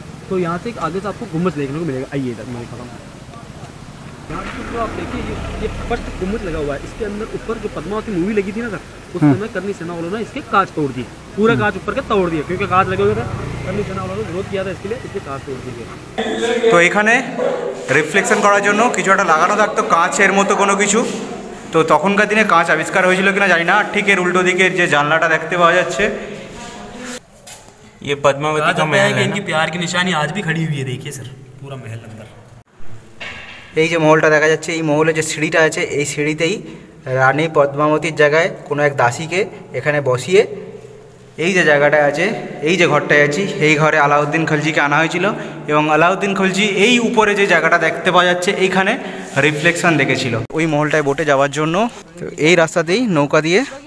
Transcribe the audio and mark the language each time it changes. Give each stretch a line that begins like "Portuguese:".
Hindi: तो यहाँ से आगे से आपको गुम्बद देखने को मिलेगा आइए इधर मेरे पास यहाँ से तो आप देखिए ये फर्स्ट गुम्बद लगा हुआ है इसके अंदर ऊपर जो पद्मावती मूवी लगी थी ना सर उस समय करनी सेना वालों ने इसके कांच तोड़ दिए पूरा कांच ऊपर के तोड़ दिए क्योंकि कांच लगे हुए थे करनी सेना वालों ने विरोध किया था इसके लिए इसके कांच तोड़ दिए
Bangla: तो এখানে রিফ্লেকশন করার জন্য কিছু একটা লাগানো থাকতো কাঁচের মতো কোনো কিছু তো তখনকার দিনে কাঁচ আবিষ্কার হয়েছিল কিনা জানি না ঠিক এর উল্টো দিকে যে জানলাটা দেখতে পাওয়া যাচ্ছে
Hindi: ये पद्मावती का महल है इनकी प्यार की निशानी आज भी खड़ी हुई है देखिए सर पूरा महल अंदर
Bangla: এই যে মহলটা দেখা যাচ্ছে এই মহলে যে সিঁড়িটা আছে এই সিঁড়িতেই রানী পদ্মাবতীর জায়গায় কোনো এক দাসীকে এখানে বসিয়ে এই যে জায়গাটায় আছে এই যে ঘরটায় আছি এই ঘরে আলাউদ্দিন খলজিকে আনা হয়েছিল এবং আলাউদ্দিন খলজি এই উপরে যে জায়গাটা দেখতে পাওয়া যাচ্ছে এইখানে রিফ্লেকশন দেখেছিল ওই মহলটায় বোটে যাওয়ার জন্য তো এই রাস্তাতেই নৌকা দিয়ে